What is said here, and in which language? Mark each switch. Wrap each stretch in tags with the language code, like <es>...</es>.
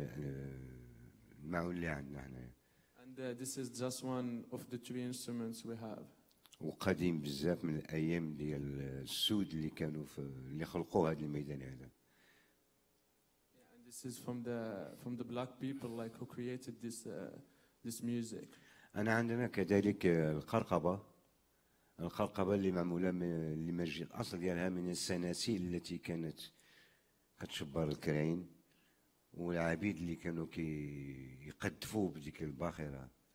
<en>And this is just one of the three instruments we have.</en> <ar>وقديم بزاف من الايام ديال السود اللي كانوا في اللي خلقوا هذا الميدان هذا.</ar> <en>Yeah, and this is from the black people like who created this this music.</en> <ar>انا عندنا كذلك القرقبه اللي معموله من المجي الاصل ديالها من السناسيل التي كانت كتشبر الكرعين والعبيد اللي كانوا يقدفوا بديك الباخره.</ar>